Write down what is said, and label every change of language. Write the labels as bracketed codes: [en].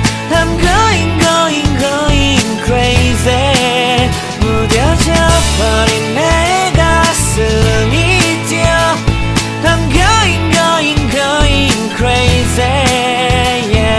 [en] I'm going going going crazy. [ko] 무뎌져버린 내 가슴이 뛰어. [en] I'm going going going crazy.